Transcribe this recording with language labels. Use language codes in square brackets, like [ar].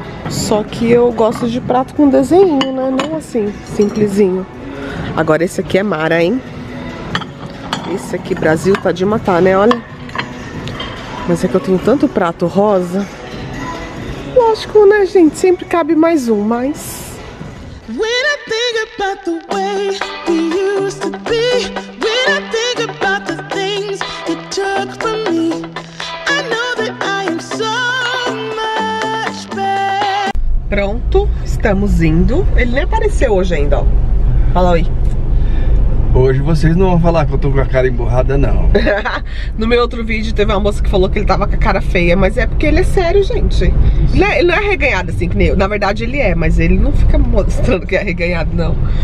[pt] Só que eu gosto de prato com desenho, né? Não assim, simplesinho. Agora esse aqui é mara, hein? Esse aqui, Brasil, tá de matar, né? Olha. Mas é que eu tenho tanto prato rosa. Lógico, né, gente? Sempre cabe mais um, mas... [en] When I think about the way we used to be, when I think about the things you took from me, I know that I am so much better. [pt] Pronto, estamos indo. Ele nem apareceu hoje ainda, ó. Fala oi. Hoje vocês não vão falar que eu tô com a cara emburrada, não. No meu outro vídeo teve uma moça que falou que ele tava com a cara feia, mas é porque ele é sério, gente. Ele não é arreganhado assim, que nem eu. Na verdade ele é, mas ele não fica mostrando que é arreganhado, não.